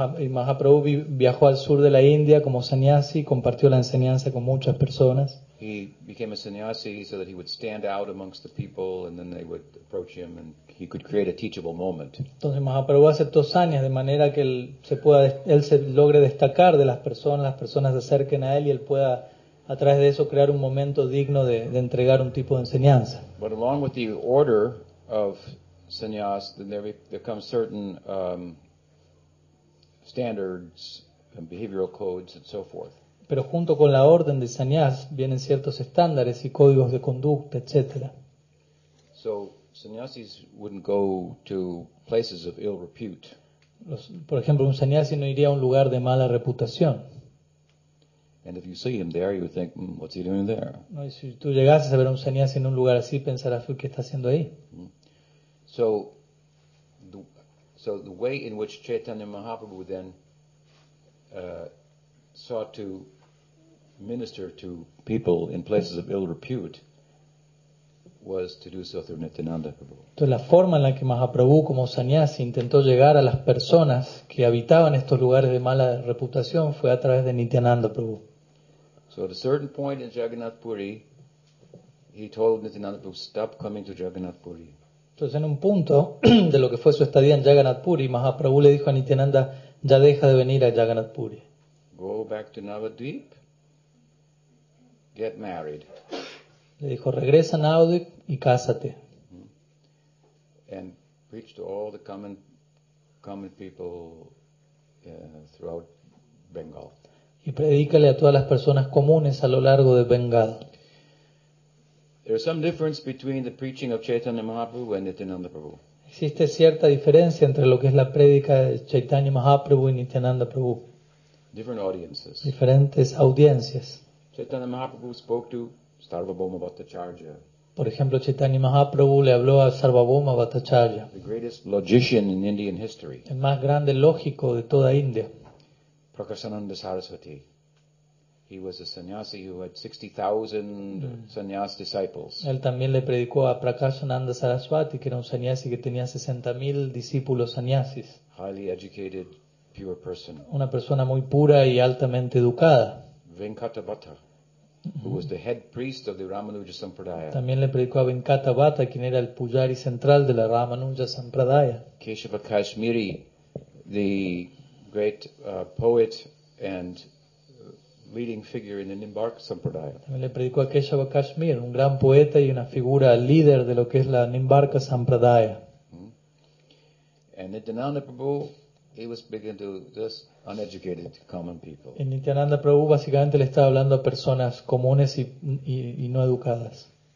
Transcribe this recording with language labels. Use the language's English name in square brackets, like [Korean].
[Spanish] Mahaprabhu viajó al sur de la India como sannyasi, compartió la enseñanza con muchas personas. [English] He became a sannyasi so that he would stand out amongst the people and then they would approach him and he could create a teachable moment. [Spanish] Entonces Mahaprabhu aceptó sannyas de manera que él se logre destacar de las personas se acerquen a él y él pueda a través de eso crear un momento digno de entregar un tipo de enseñanza. [English] But along with the order of sannyas, then there come certain standards and behavioral codes and so forth. [Spanish] Pero junto con la orden de sannyas vienen ciertos estándares y códigos de conducta, etc. [English] So sannyasis wouldn't go to places of ill repute. [Spanish] Por ejemplo, un sannyasi no iría a un lugar de mala reputación. [English] And if you see him there, you would think, what's he doing there? [Spanish] No, si tú llegases a ver a un sannyasi en un lugar así, pensarás, ¿qué está haciendo ahí? [English] So the way in which Chaitanya Mahaprabhu then sought to minister to people in places of ill repute was to do so through Nityananda Prabhu. [Spanish] Entonces la forma en la que Mahaprabhu como sannyasi intentó llegar a las personas que habitaban estos lugares de mala reputación fue a través de Nityananda Prabhu. [English] So at a certain point in Jagannath Puri, he told Nityananda Prabhu, stop coming to Jagannath Puri. [Spanish] Entonces en un punto de lo que fue su estadía en Jagannath Puri, Mahaprabhu le dijo a Nityananda, ya deja de venir a Jagannath Puri. [English] Go back to Navadvip, get married. [Spanish] Le dijo, regresa a Navadvip y cásate. [English] And preach to all the common people throughout Bengal. [Spanish] Y predícale a todas las personas comunes a lo largo de Bengal. [English] There is some difference between the preaching of Chaitanya Mahaprabhu and Nityananda Prabhu. [Spanish] Existe cierta diferencia entre lo que es la prédica de Chaitanya Mahaprabhu y Nityananda Prabhu. [English] Different audiences. [Spanish] Diferentes audiencias. [English] Chaitanya Mahaprabhu spoke to Sarvabhauma Bhattacharya. [Spanish] Por ejemplo, Chaitanya Mahaprabhu le habló a Sarvabhauma Bhattacharya. [English] The greatest logician in Indian history. [Spanish] El más grande lógico de toda India. [English] Prakasananda Saraswati. He was a sannyasi who had 60,000 sannyas disciples. [Spanish] Él también le predicó a Prakashananda Saraswati, que era un sannyasi que tenía 60,000 discípulos sannyasis. [English] Highly educated, pure person. [Spanish] Una persona muy pura y altamente educada. [English] Venkatabhata, who was the head priest of the Ramanuja Sampradaya. [Spanish] También le predicó a Venkatabhata, quien era el pujari central de la Ramanuja Sampradaya. [English] Keshava Kashmiri, the great poet and leading figure in the Nimbark Sampradaya. [Spanish] También le predicó a Keshava Kashmir, un gran poeta y una figura líder de lo que es la Nimbarka Sampradaya. [English] And Nityananda Prabhu, he was speaking to just uneducated common people. [Spanish] En Nityananda Prabhu básicamente le estaba hablando a personas comunes y no educadas.